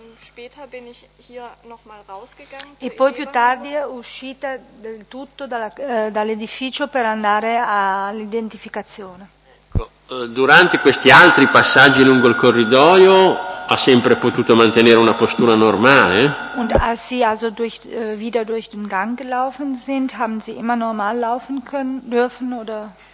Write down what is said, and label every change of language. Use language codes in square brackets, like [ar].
[de] Später bin ich hier noch mal rausgegangen. [it] E poi più tardi è uscita del tutto dall'edificio per andare all'identificazione. Ecco, durante questi altri passaggi lungo il corridoio ha sempre potuto mantenere una postura normale? [de] Und als sie also wieder durch den Gang gelaufen sind, haben sie immer normal laufen können dürfen oder?